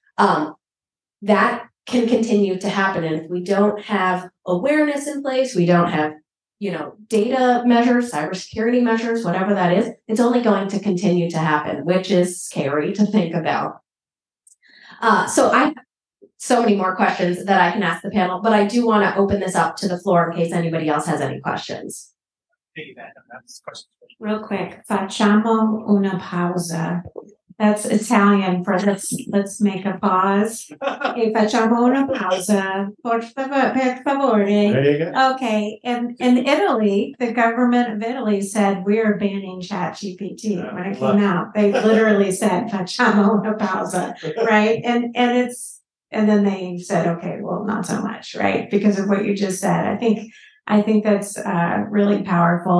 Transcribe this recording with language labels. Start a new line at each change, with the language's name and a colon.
English: That can continue to happen. And if we don't have awareness in place, we don't have, you know, data measures, cybersecurity measures, whatever that is, it's only going to continue to happen, which is scary to think about. So I have so many more questions that I can ask the panel, but I do want to open this up to the floor in case anybody else has any questions.
Italian: Real quick, facciamo una pausa.
English: That's Italian for let's make a pause.
Italian: Okay, facciamo una pausa, per favore.
English: Okay, and in Italy, the government of Italy said we're banning ChatGPT when it came out. They literally said
Italian: facciamo una pausa,
English: right? And then they said, okay, well, not so much, right? Because of what you just said, I think that's really powerful.